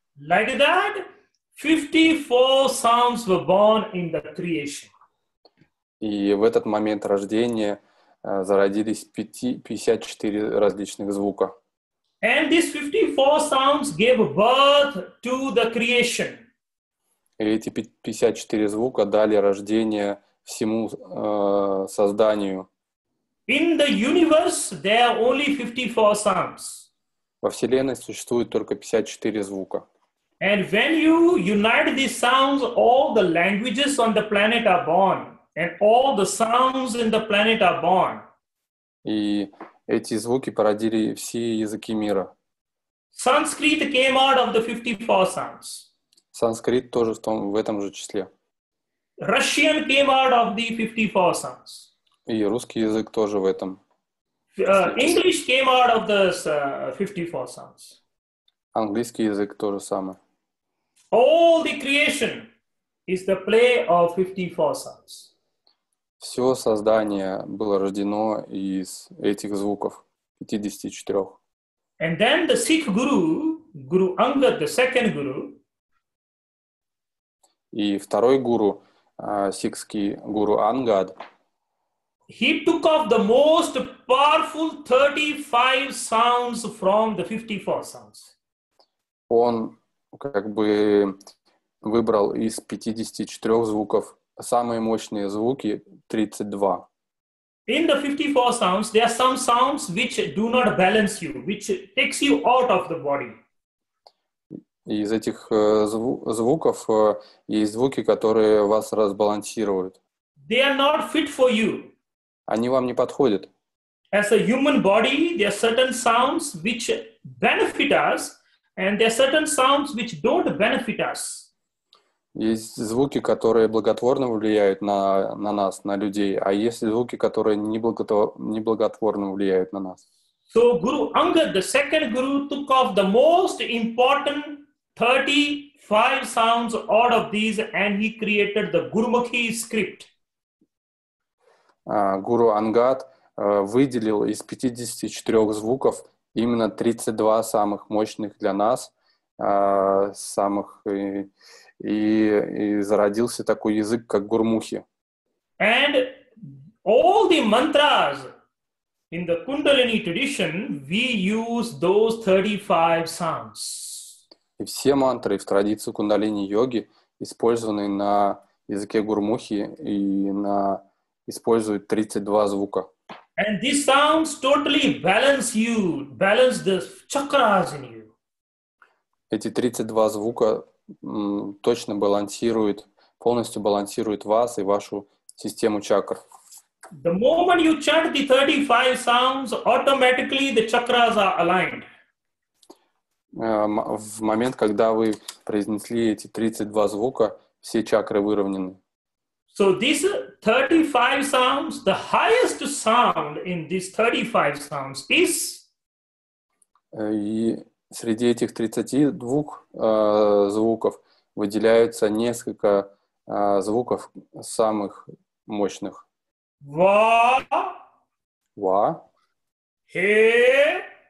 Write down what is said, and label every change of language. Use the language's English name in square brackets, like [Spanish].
[English] Like that, 54 sounds were born in the creation. [Russian] И в этот момент рождения зародились 54 различных звука. [English] And these 54 sounds gave birth to the creation. [Russian] И эти 54 звука дали рождение всему созданию. [English] In the universe, there are only 54 sounds. [Russian] Во Вселенной существует только 54 звука. [English] And when you unite these sounds, all the languages on the planet are born. And all the sounds in the planet are born. [Russian] И эти звуки породили все языки мира. [English] Sanskrit came out of the 54 sounds. [Russian] Санскрит тоже в этом же числе. [English] Russian came out of the 54 sounds. [Russian] И русский язык тоже в этом. [English] English came out of the 54 sounds. [Russian] Английский язык тоже самое. [English] All the creation is the play of 54 sounds. [Russian] Все создание было рождено из этих звуков, 54. [English] And then the Sikh Guru, Guru Angad, the second Guru. [Russian] И второй гуру, сикхский гуру Ангад. [English] He took off the most powerful 35 sounds from the 54 sounds. [Russian] Он как бы выбрал из 54 звуков самые мощные звуки, 32. [English] In the 54 sounds, there are some sounds which do not balance you, which takes you out of the body. [Russian] И из этих звуков есть звуки, которые вас разбалансируют. [English] They are not fit for you. [Russian] Они вам не подходят. [English] As a human body, there are certain sounds which benefit us, and there are certain sounds which don't benefit us. [Russian] Есть звуки, которые благотворно влияют на нас, на людей, а есть звуки, которые неблаготворно влияют на нас. [English] So Guru Angad, the second Guru, took off the most important 35 sounds out of these, and he created the Gurmukhi script. [Russian] Guru Angad выделил из 54 звуков именно 32 самых мощных для нас, самых, и зародился такой язык, как Гурмухи. [English] And all the mantras in the Kundalini tradition, we use those 35 sounds. [Russian] И все мантры в традиции кундалини-йоги использованы на языке гурмухи и на используют 32 звука. [English] And these sounds totally balance you, balance the chakras in you. [Russian] Эти 32 звука точно балансируют, полностью балансируют вас и вашу систему чакр. [English] The moment you chant the 35 sounds, automatically the chakras are aligned. [Russian] В момент, когда вы произнесли эти 32 звука, все чакры выровнены. [English] So these 35 sounds, the highest sound in these 35 sounds is? [Russian] И среди этих 32 звуков выделяются несколько звуков самых мощных. Ва. Ва. Хе.